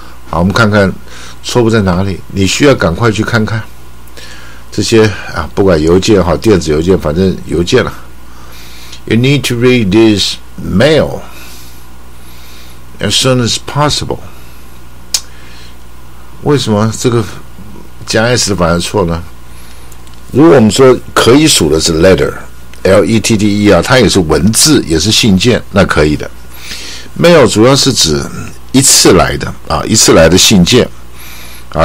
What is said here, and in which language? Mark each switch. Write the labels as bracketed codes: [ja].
[zh] 好，我们看看错误在哪里，你需要赶快去看看这些啊，不管邮件好，电子邮件，反正邮件了。 [en] You need to read this mail as soon as possible. [zh] 为什么这个加 s 的反而错呢？如果我们说可以数的是 letter, L-E-T-T-E 啊，它也是文字，也是信件，那可以的。 Mail 主要是指一次来的啊，一次来的信件啊。